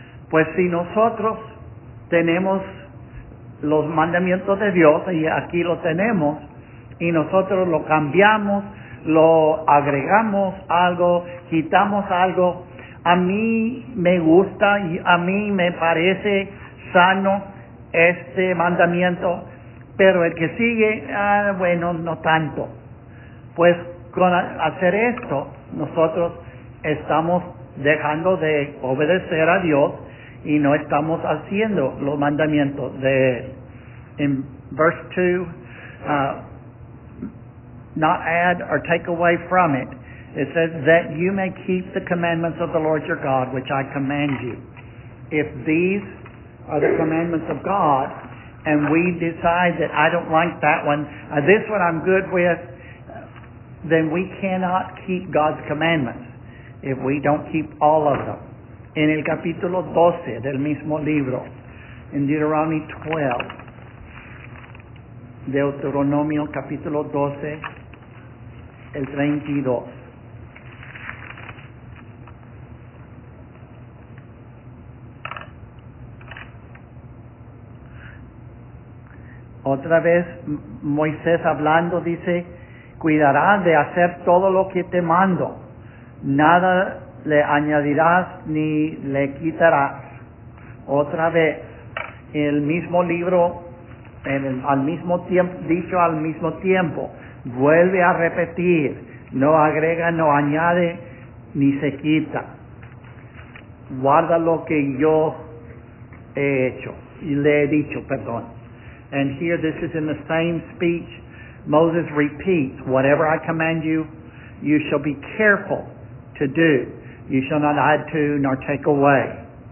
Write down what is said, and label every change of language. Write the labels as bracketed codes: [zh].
[es] Pues si nosotros tenemos los mandamientos de Dios, y aquí lo tenemos, y nosotros lo cambiamos, lo agregamos algo, quitamos algo, a mí me gusta y a mí me parece sano este mandamiento, pero el que sigue, bueno, no tanto. Pues con hacer esto, nosotros estamos dejando de obedecer a Dios y no estamos haciendo los mandamientos de él. [en] In verse 2, not add or take away from it, it says that you may keep the commandments of the Lord your God, which I command you. If these are the commandments of God, and we decide that I don't like that one, this one I'm good with, then we cannot keep God's commandments if we don't keep all of them. [es] En el capítulo 12 del mismo libro, [en] in Deuteronomy 12, [es] Deuteronomio capítulo 12, el 32. Otra vez Moisés hablando dice, cuidarás de hacer todo lo que te mando, nada le añadirás ni le quitarás. Otra vez, el mismo libro, al mismo tiempo, vuelve a repetir, no agrega, no añade, ni se quita. Guarda lo que yo he hecho, y le he dicho, perdón. [en] And here, this is in the same speech, Moses repeats, whatever I command you, you shall be careful to do. You shall not add to nor take away.